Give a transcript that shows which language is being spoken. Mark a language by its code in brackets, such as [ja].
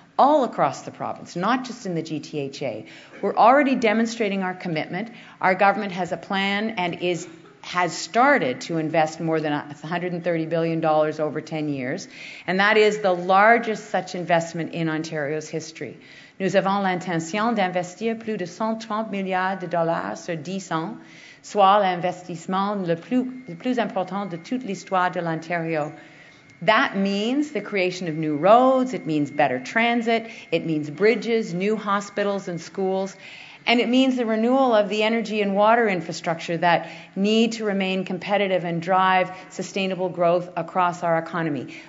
[en] all across the province, not just in the GTHA. We're already demonstrating our commitment. Our government has a plan and has started to invest more than $130 billion over 10 years, and that is the largest such investment in Ontario's history. [fr] Nous avons l'intention d'investir plus de 130 milliards de dollars sur 10 ans, soit l'investissement le plus important de toute l'histoire de l'Ontario. [en] That means the creation of new roads, it means better transit, it means bridges, new hospitals and schools, and it means the renewal of the energy and water infrastructure that need to remain competitive and drive sustainable growth across our economy.